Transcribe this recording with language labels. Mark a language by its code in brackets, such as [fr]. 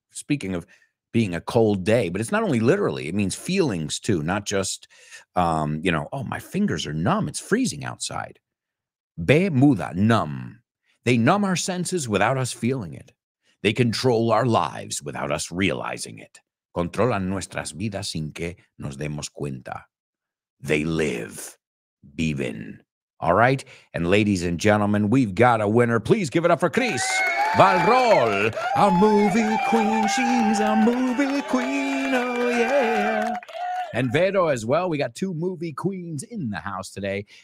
[en] Speaking of being a cold day, but it's not only literally, it means feelings too, not just, my fingers are numb. It's freezing outside. Be muda, numb. They numb our senses without us feeling it. They control our lives without us realizing it. [es] Controlan nuestras vidas sin que nos demos cuenta. [en] They live. [es] Viven. [en] All right? And ladies and gentlemen, we've got a winner. Please give it up for Chris Valrol, our movie queen. She's our movie queen. Oh, yeah. And Vero as well. We got two movie queens in the house today.